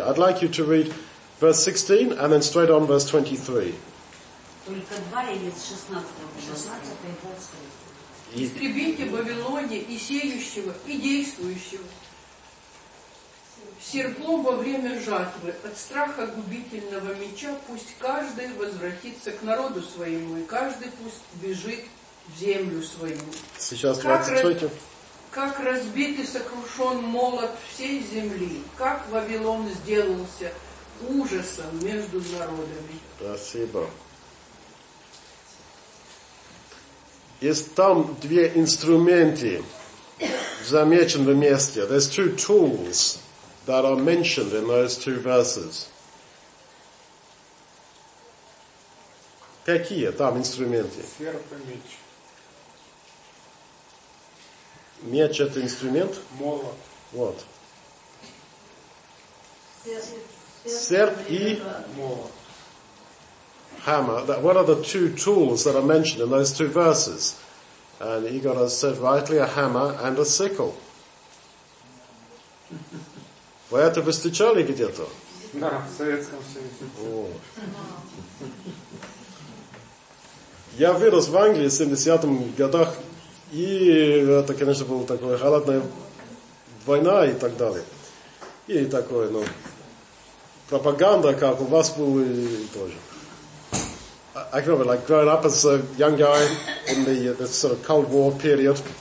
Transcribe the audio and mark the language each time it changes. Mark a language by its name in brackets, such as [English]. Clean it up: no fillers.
[English] I'd like you to read verse 16 and then straight on verse 23. [Russian] Только два или с 16-го, 16-го и 23-го. Истребите Вавилоне и сеющего, и действующего. Серпом во время жатвы, от страха губительного меча, пусть каждый возвратится к народу своему, и каждый пусть бежит в землю свою. Сейчас 23-го. Как разбит и сокрушен молот всей земли, как Вавилон сделался ужасом между народами. Спасибо. Есть там две инструменты, замечены вместе. [English] There's two tools that are mentioned in those two verses. [Russian] Какие там инструменты? Серп и меч. Меч — это инструмент? Молот. Вот. Серп и молот. [English] Hammer. What are the two tools that are mentioned in those two verses? And Igor has said rightly, a hammer and a sickle. [Russian] Вы это встречали где-то? Да, в Советском Союзе. Я вырос в Англии в 70-м годах. И это, конечно, была такая холодная война и так далее. И такое, ну, пропаганда, как у вас было и тоже. [English] I can remember, like, growing up as a young guy in the sort of Cold War period.